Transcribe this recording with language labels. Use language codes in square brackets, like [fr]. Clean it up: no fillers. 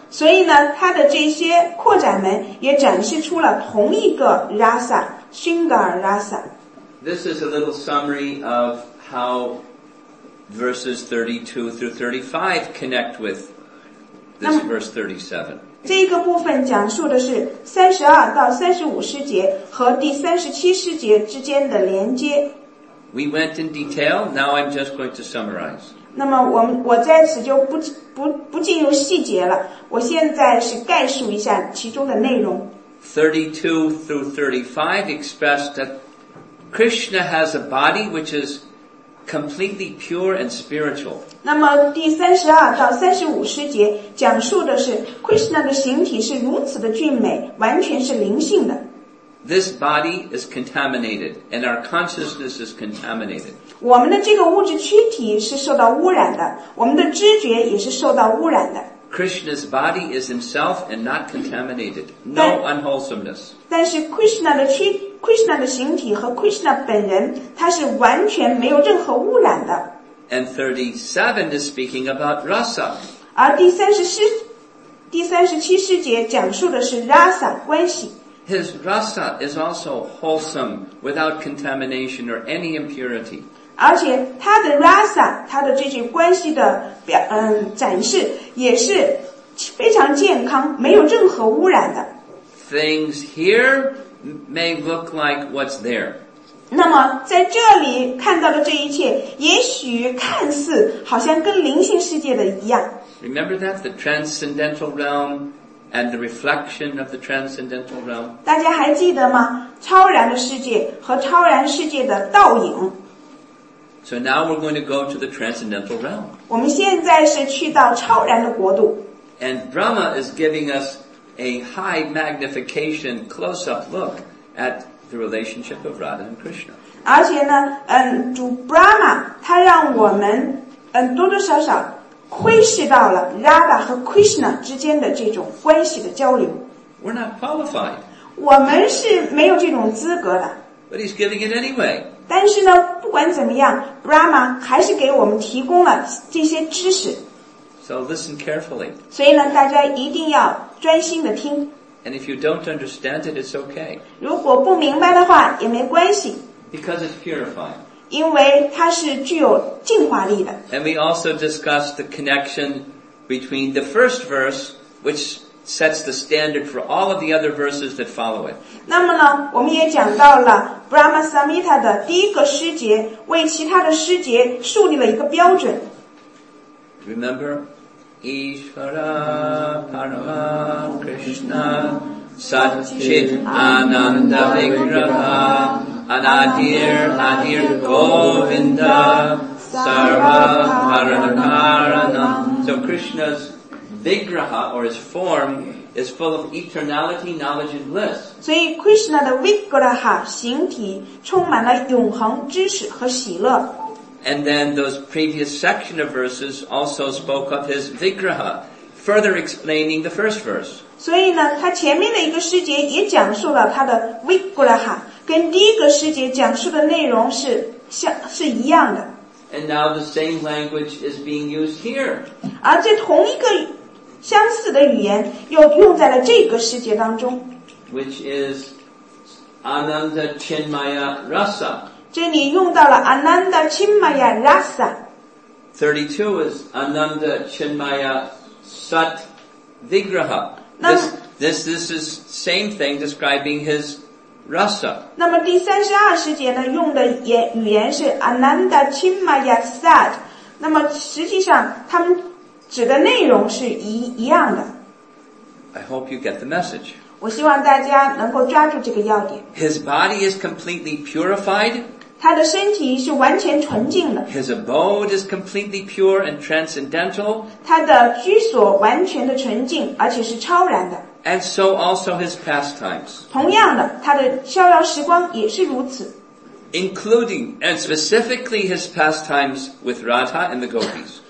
[zh] 所以呢她的这些扩展们也展示出了同一个 Rasa, [sa] Shingar Rasa. [en] This is a little summary of how verses 32 through 35 connect with this verse 37. [zh] 这一个部分讲述的是32到35诗节和第37诗节之间的连接。 [en] We went in detail, now I'm just going to summarize. [zh] 那么 我在此就 不进入细节了，我现在是概述一下其中的内容。 [en] 32 through 35 express that Krishna has a body which is completely pure and spiritual. [zh] 那么第32到35诗节讲述的是 Krishna 的形体是如此的俊美，完全是灵性的。 [en] This body is contaminated and our consciousness is contaminated. [zh] 我们的这个物质躯体是受到污染的，我们的知觉也是受到污染的。 [en] Krishna's body is himself and not contaminated. No unwholesomeness. [zh] 但是 Krishna 的形体和 Krishna 本人他是完全没有任何污染的。 [en] And 37 is speaking about rasa. [zh] 而第37诗节讲述的是 rasa 关系。 [en] His rasa is also wholesome without contamination or any impurity. [zh] 而且他的 rasa, 他的这些关系的展示也是非常健康，没有任何污染的。 [en] Things here may look like what's there. [zh] 那么在这里看到的这一切也许看似好像跟灵性世界的一样。 [en] Remember that, the transcendental realm and the reflection of the transcendental realm? [zh] 大家还记得吗？超然的世界和超然世界的倒影。 [en] So now we're going to go to the transcendental realm. [zh] 我们现在是去到超然的国度。 [en] And Brahma is giving us a high magnification close-up look at the relationship of Radha and Krishna. [zh] 而且呢，主 Brahma 他让我们多多少少窥视到了 Radha 和 Krishna 之间的这种关系的交流。 [en] We're not qualified. [zh] 我们是没有这种资格的。 [en] But he's giving it anyway. [zh] 但是呢，不管怎么样 ，Brahma 还是给我们提供了这些知识。 [en] So listen carefully. [zh] 所以呢，大家一定要专心的听。 [en] And if you don't understand it, it's okay. [zh] 如果不明白的话，也没关系。 [en] Because it's purifying. [zh] 因为它是具有净化力的。 [en] And we also discussed the connection between the first verse, which sets the standard for all of the other verses that follow it. [zh] 那么呢，我们也讲到了 Brahma Samhita 的第一个诗节，为其他的诗节树立了一个标准。 [sa] Remember, Ishvara Parama Krishna Satchit Ananda Vigraha Anadir Adir Govinda Sarva Parakaranam. [en] So Krishna's Vigraha or his form is full of eternality, knowledge and bliss. [zh] 所以 Krishna 的 Vigraha 形体充满了永恒知识和喜乐。 [en] And then those previous section of verses also spoke of his vigraha, further explaining the first verse. [zh] 所以呢，他前面的一个诗节也讲述了他的 vigraha, 跟第一个诗节讲述的内容是一样的。 [en] And now the same language is being used here. [zh] 而这同一个相似的语言又用在了这个诗节当中。 [en] Which is Ananda Chinmaya Rasa. [zh] 这里用到了 Ananda Chinmaya Rasa [en] 32 is Ananda Chinmaya Sat Vigraha this is same thing describing his Rasa [zh] 那么第32诗节呢用的语言是 Ananda Chinmaya Sat 那么实际上他们指的内容是一样的 [en] I hope you get the message [zh] 我希望大家能够抓住这个要点 [en] His body is completely purified [zh] 他的身体是完全纯净的。 [en] His abode is completely pure and transcendental. [zh] 他的居所完全的纯净，而且是超然的。 [en] And so also his pastimes. [zh] 同样的，他的逍遥时光也是如此。 [en] Including and specifically his pastimes with Radha and the gopis.